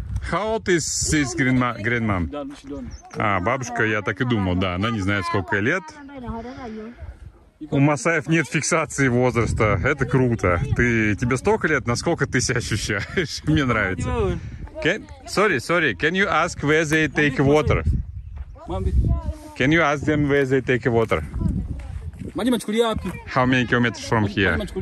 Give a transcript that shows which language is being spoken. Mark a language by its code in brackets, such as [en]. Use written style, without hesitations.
[en] How old is this grandmom? [ru] А, бабушка, я так и думал, да, она не знает, сколько лет. У масаев нет фиксации возраста, это круто. Тебе столько лет, насколько ты себя ощущаешь? Мне нравится. [en] Can you ask where they take water? Can you ask them where they take water? How many kilometers from here?